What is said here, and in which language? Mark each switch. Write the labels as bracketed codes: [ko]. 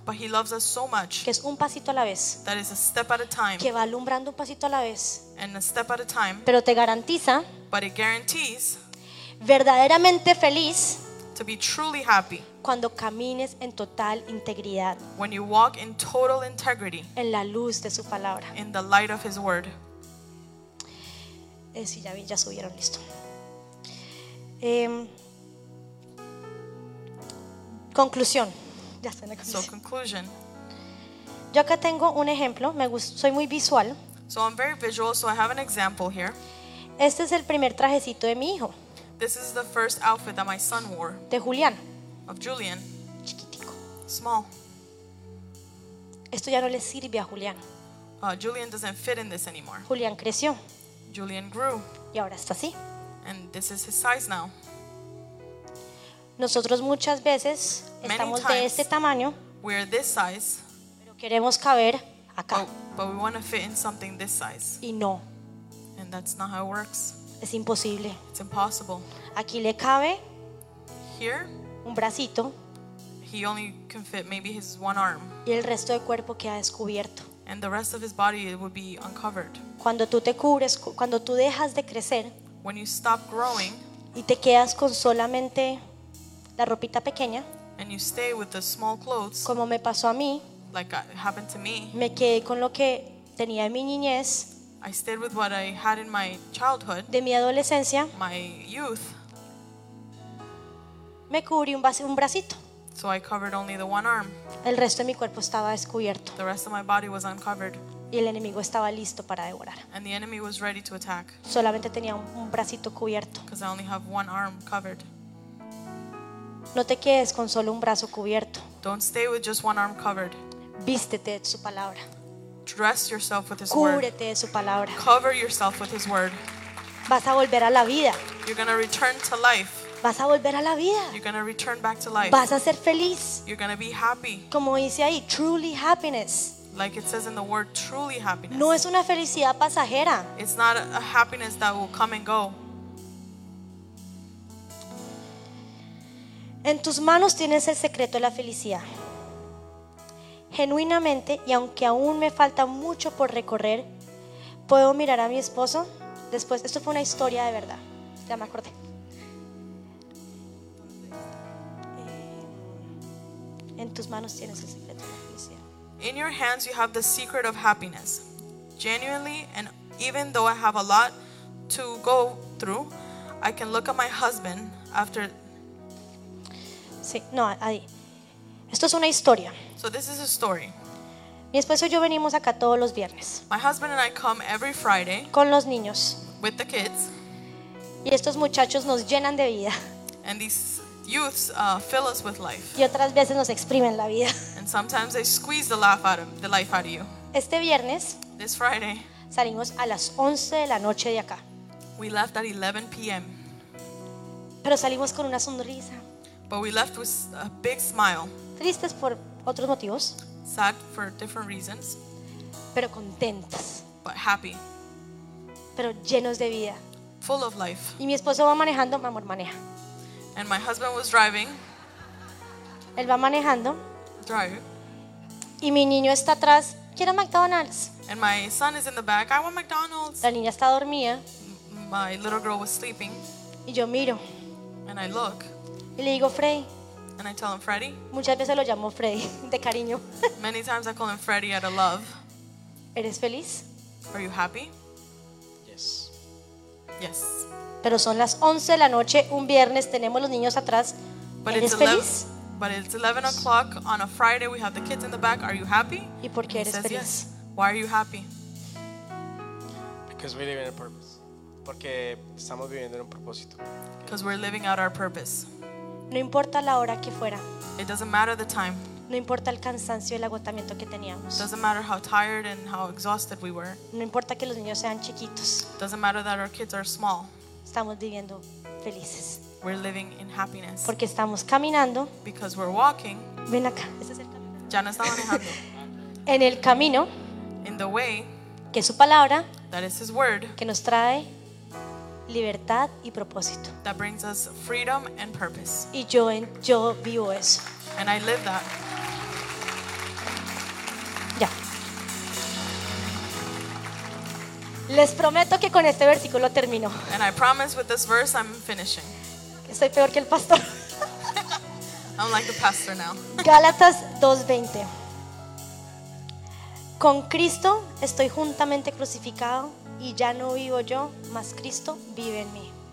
[en] But he loves us so much. [es] Que es un pasito a la vez. [en] That is a step at a time. [es] Que va alumbrando un pasito a la vez. [en] And a step at a time. [es] Pero te garantiza. [en] But it guarantees. [es] Verdaderamente feliz. [en] to be truly happy. [es] Cuando camines en total integridad. [en] When you walk in total integrity. [es] En la luz de su palabra. [en] In the light of his word. [es] Sí, ya vi, ya subieron, listo. Conclusión. Ya está en la conclusión. [en] So conclusion. [es] Yo acá tengo un ejemplo, soy muy visual. [en] So I'm very visual, so I have an example here. [es] Este es el primer trajecito de mi hijo. [en] This is the first outfit that my son wore. [es] De Julián. [en] Of Julian. [es] Chiquitico. [en] Small. [es] Esto ya no le sirve a Julián. [en] Julian doesn't fit in this anymore. [es] Julián creció. [en] Julian grew. [es] Y ahora está así. [en] And this is his size now. [es] Nosotros muchas veces estamos de este tamaño. [en] We're this size. [es] Pero queremos caber acá. [en] But we want to fit in something this size. [es] Y no. [en] And that's not how it works. [es] Es imposible. [en] It's impossible. [es] Aquí le cabe. [en] Here. [es] Un bracito. [en] He only can fit maybe his one arm. [es] Y el resto del cuerpo queda descubierto. [en] And the rest of his body it would be uncovered. [es] Cuando tú te cubres, cuando tú dejas de crecer. [en] When you stop growing. [es] Y te quedas con solamente la ropita pequeña. [en] And you stay with the small clothes. [es] Como me pasó a mí. [en] Like it happened to me. [es] Me quedé con lo que tenía en mi niñez. [en] I stayed with what I had in my childhood. [es] De mi adolescencia. [en] My youth. [es] Me cubrí un bracito. [en] So I covered only the one arm. [es] El resto de mi cuerpo estaba descubierto. [en] The rest of my body was uncovered. [es] Y el enemigo estaba listo para devorar. [en] And the enemy was ready to attack. [es] Solamente tenía un bracito cubierto. [en] Because I only have one arm covered. [es] No te quedes con solo un brazo cubierto. [en] Don't stay with just one arm covered. [es] Vístete de su palabra. [en] Dress yourself with his [es] Cúbrete [en] word. [es] De su palabra. [en] Cover yourself with his word. [es] Vas a volver a la vida. [en] You're going to return to life. [es] Vas a volver a la vida. [en] You're going to return back to life. [es] Vas a ser feliz. [en] You're going to be happy. [es] Como dice ahí, [en] truly happiness. Like it says in the word, truly happiness. [es] No es una felicidad pasajera. [en] It's not a happiness that will come and go. [es] En tus manos tienes el secreto de la felicidad. Genuinamente, y aunque aún me falta mucho por recorrer, puedo mirar a mi esposo. Después, esto fue una historia de verdad. Ya me acordé. En tus manos tienes el secreto de la felicidad. [en] In your hands you have the secret of happiness. Genuinely, and even though I have a lot to go through, I can look at my husband after. [es] Sí, no, ahí. Esto es una historia. [en] So this is a story. [es] Mi esposo y yo venimos acá todos los viernes. [en] My husband and I come every Friday. [es] Con los niños. [en] With the kids. [es] Y estos muchachos nos llenan de vida. [en] And these youths fill us with life. [es] Y otras veces nos exprimen la vida. [en] And sometimes they squeeze the life out of you. [es] Este viernes. [en] This Friday. [es] Salimos a las 11 de la noche de acá. [en] We left at 11 p.m. [es] Pero salimos con una sonrisa. [en] But we left with a big smile. [es] Tristes por otros motivos. [en] Sad for different reasons. [es] Pero contentos. [en] But happy. [es] Pero llenos de vida. [en] Full of life. [es] Y mi esposo va manejando, mi amor maneja. [en] And my husband was driving. [es] Él va manejando. [en] Drive. [es] Y mi niño está atrás, quiero McDonald's. [en] And my son is in the back, I want McDonald's. [es] La niña está dormida. [en] My little girl was sleeping. [es] Y yo miro. [en] And I look. [es] Y le digo, Freddy. [en] And I tell him Freddy. [es] Muchas veces lo llamo Freddy de cariño. [en] Many times I call him Freddy out of love. [es] ¿Eres feliz? [en] Are you happy? Yes. Yes. [es] Pero son las 11 de la noche un viernes, tenemos los niños atrás. [en] But [es] ¿Eres feliz? [en] But it's 11 o'clock on a Friday, we have the kids in the back. Are you happy? [es] ¿Y por qué eres feliz? [en] Yes. Why are you happy? Because we live in a purpose. [es] Porque estamos viviendo en un propósito. [en] Because we're living out our purpose. [es] No importa la hora que fuera. [en] It doesn't matter the time. [es] No importa el cansancio y el agotamiento que teníamos. [en] It doesn't matter how tired and how exhausted we were. [es] No importa que los niños sean chiquitos. [en] It doesn't matter that our kids are small. [es] Estamos viviendo felices. [en] We're living in happiness. [es] Porque estamos caminando. [en] Because we're walking. [es] Ven acá, ese es el camino. Ya no está manejando. En el camino. [en] In the way. [es] Que es su palabra. [en] That is his word. [es] Que nos trae libertad y propósito. [en] That brings us freedom and purpose. [es] Y yo vivo eso. [en] And I live that. [es] Ya. Les prometo que con este versículo termino. [en] And I promise with this verse I'm finishing. [es] Estoy peor que el pastor. [en] I'm like the pastor now. [es] Gálatas 2:20. Con Cristo estoy juntamente crucificado y ya no vivo yo, mas Cristo vive en mí.